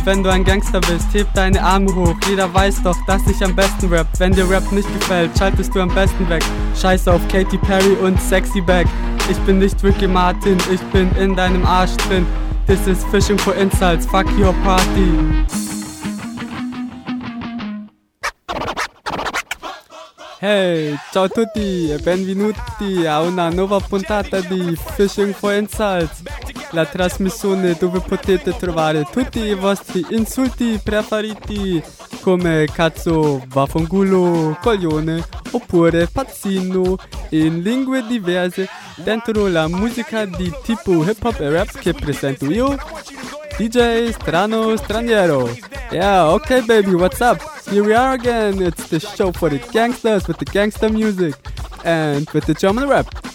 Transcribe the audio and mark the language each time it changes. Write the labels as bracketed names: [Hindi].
[German] Wenn du ein Gangster bist, heb deine Arme hoch. Jeder weiß doch, dass ich am besten rap. Wenn dir Rap nicht gefällt, schaltest du am besten weg. Scheiße auf Katy Perry und Sexy Back. Ich bin nicht Ricky Martin, ich bin in deinem Arsch drin. [English] This is fishing for insults, fuck your party. [Italian] Hey, ciao tutti e benvenuti a una nuova puntata di Fishing for Insults. La trasmissione dove potete trovare tutti i vostri insulti preferiti, come cazzo, vaffanculo, coglione, oppure pazzino, in lingue diverse, dentro la musica di tipo hip hop e rap che presento io, DJ Strano Straniero. [English] Yeah, okay baby, what's up? Here we are again, it's the show for the gangsters with the gangster music and with the German rap.